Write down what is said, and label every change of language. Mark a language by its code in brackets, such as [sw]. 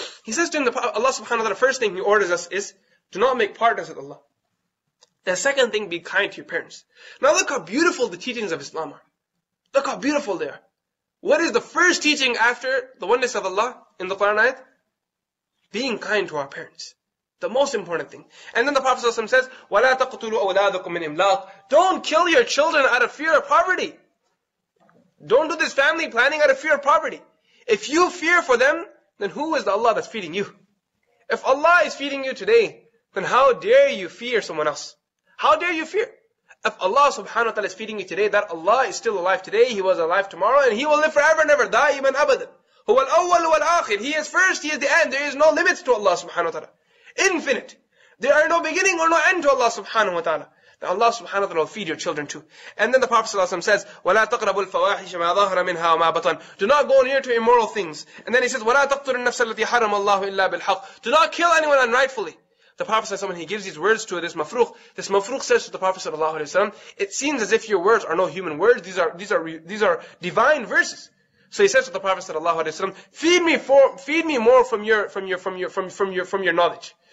[en] He says to him, Allah subhanahu wa ta'ala, first thing he orders us is, do not make partners with Allah. The second thing, be kind to your parents. Now look how beautiful the teachings of Islam are. Look how beautiful they are. What is the first teaching after the oneness of Allah in the Quran ayat? Being kind to our parents. The most important thing. And then the Prophet ﷺ says, [ar] وَلَا تَقْتُلُوا أَوْلَادَكُمْ مِنْ إِمْلَاقٍ. [en] Don't kill your children out of fear of poverty. Don't do this family planning out of fear of poverty. If you fear for them, then who is the Allah that's feeding you? If Allah is feeding you today, then how dare you fear someone else? How dare you fear? If Allah subhanahu wa ta'ala is feeding you today, that Allah is still alive today, He was alive tomorrow, and He will live forever and ever. Daiman abadan. [ar] هو الأول والآخر. [en] He is first, he is the end. There is no limits to Allah subhanahu wa ta'ala. Infinite. There are no beginning or no end to Allah subhanahu wa ta'ala. That Allah subhanahu wa ta'ala will feed your children too. And then the Prophet says, [ar] وَلَا تَقْرَبُوا الْفَوَاحِشَ مَا ظَهْرَ مِنْهَا وَمَا بَطَنْ. [en] Do not go near to immoral things. And then he says, [ar] وَلَا تَقْتُلُ النَّفْسَ الَّتِي حَرَمَ اللَّهُ إِلَّا بِالْحَقِّ. [en] Do not kill anyone unrightfully. The Prophet says, when he gives these words to this mafrukh says to the Prophet sallallahu alaihi wasallam, it seems as if your words are no human words. These are divine verses. So he says to the Prophet sallallahu alaihi wasallam, feed me more from your knowledge.